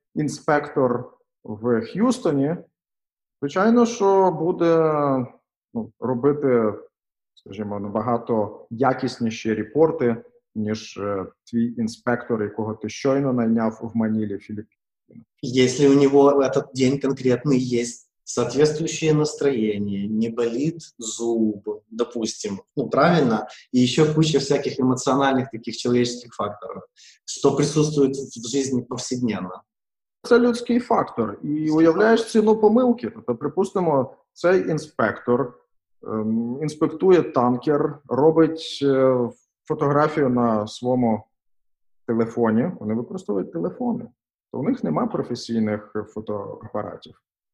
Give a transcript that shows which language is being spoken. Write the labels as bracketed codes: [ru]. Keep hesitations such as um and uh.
[uk] Інспектор в Х'юстоні, звичайно, що буде ну, робити, скажімо, набагато якісніші репорти, ніж е, твій інспектор, якого ти щойно найняв в Манілі Філіппіні. [ru] Если у него в этот день конкретно есть соответствующее настроение, не болит зуб, допустим, ну правильно, и еще куча всяких эмоциональных таких человеческих факторов, что присутствует в жизни повседневно. [uk] Це людський фактор, і уявляєш ціну помилки. Тобто, припустимо, цей інспектор ем, інспектує танкер, робить е, фотографію на своєму телефоні. Вони використовують телефони, то у них немає професійних фотоапаратів.